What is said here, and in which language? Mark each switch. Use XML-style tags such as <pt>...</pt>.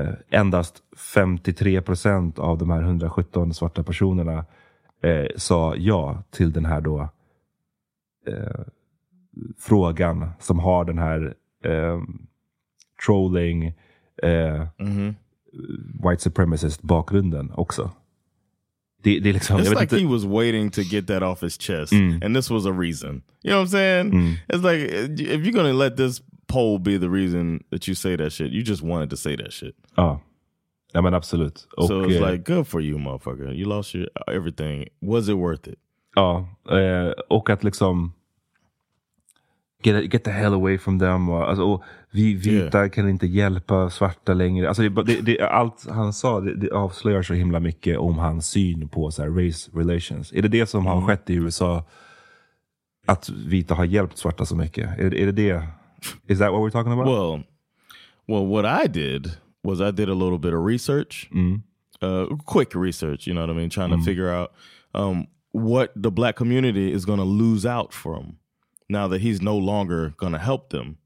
<sv>endast 53% av de här 117 svarta personerna sa ja till den här då frågan som har den här trolling white supremacist bakgrunden också. Det är liksom,</sv> <en>it's like he was waiting to get that off his chest. Mm. And this was a reason. You know what I'm saying? Mm. It's like, if you're gonna let this poll be the reason that you say that shit, you just wanted to say that shit.</en> <sv>Ah. Ja, men absolut. Och,</sv> <en>so it's like, good for you, motherfucker. You lost your everything. Was it worth it?</en> <sv>Ja. Och att liksom</sv> <en>get the hell away from them.</en> <sv>Och, alltså, och vi vita kan inte hjälpa svarta längre. Alltså, allt han sa, det avslöjar så himla mycket om hans syn på så här, race relations. Är det det som har skett i USA? Att vita har hjälpt svarta så mycket? Är det det?</sv> <en>Is that what we're talking about? Well, what I did was I did a little bit of research, quick research, you know what I mean? Trying to figure out what the black community is going to lose out from now that he's no longer going to help them.</en>